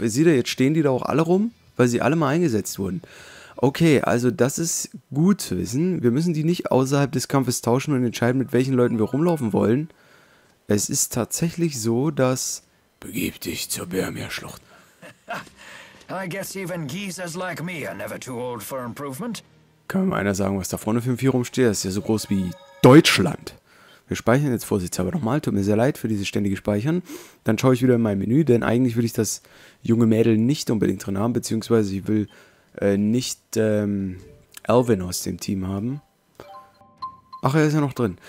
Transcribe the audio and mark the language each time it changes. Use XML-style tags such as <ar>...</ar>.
<de>Seht ihr, jetzt stehen die da auch alle rum, weil sie alle mal eingesetzt wurden. Okay, also das ist gut zu wissen. Wir müssen die nicht außerhalb des Kampfes tauschen und entscheiden, mit welchen Leuten wir rumlaufen wollen. Es ist tatsächlich so, dass... Begib dich zur Bermia-Schlucht.</de> <en>I guess even geezers like me are never too old for improvement.</en> <de>Kann mir einer sagen, was da vorne für ein Vieh rumsteht? Das ist ja so groß wie Deutschland. Wir speichern jetzt vorsichtshalber nochmal. Tut mir sehr leid für dieses ständige Speichern. Dann schaue ich wieder in mein Menü, denn eigentlich will ich das junge Mädel nicht unbedingt drin haben, beziehungsweise ich will Alvin aus dem Team haben. Ach, er ist ja noch drin.</de>